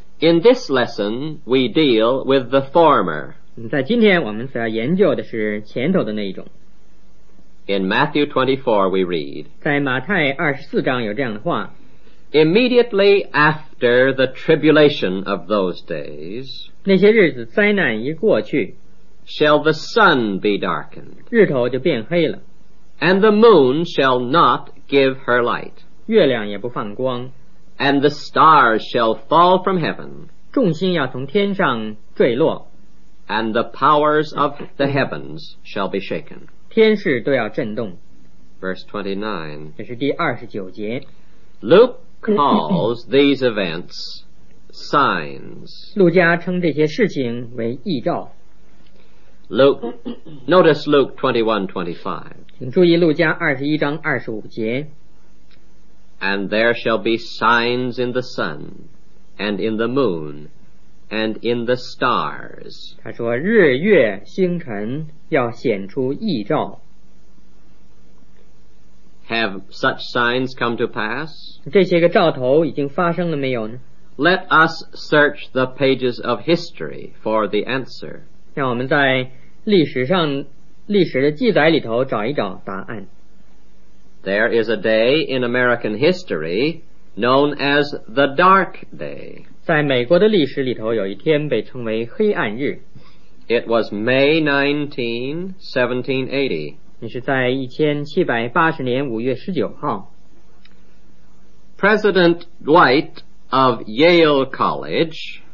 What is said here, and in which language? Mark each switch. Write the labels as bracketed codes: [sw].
[en] In this lesson, we deal with the former. [zh] 在今天我们所要研究的是前头的那一种。 [en] In Matthew 24, we read. [zh] 在马太二十四章有这样的话。 [en] Immediately after the tribulation of those days. [zh] 那些日子灾难一过去。 [en] Shall the sun be darkened. [zh] 日头就变黑了。 [en] And the moon shall not give her light. [zh] 月亮也不放光。 [en] And the stars shall fall from heaven. [zh] 众星要从天上坠落。 [en] And the powers of the heavens shall be shaken. [zh] 天势都要震动。 [en] Verse 29, [zh] 这是第二十九节。 [en] Luke calls these events signs. [zh] 路加称这些事情为异兆。 [en] Notice Luke 21:25. [zh] 请注意路加二十一章二十五节。 [en] And there shall be signs in the sun, and in the moon, and in the stars. [zh] 他说日月星辰要显出异兆。 [en] Have such signs come to pass? [zh] 这些个兆头已经发生了没有呢？ [en] Let us search the pages of history for the answer. [zh] 让我们在历史上历史的记载里头找一找答案。 [en] There is a day in American history known as the Dark Day. [zh] 在美国的历史里头有一天被称为黑暗日。 [en] It was May 19, 1780. [zh] 那是在1780年5月19号。 [en] President Dwight of Yale College,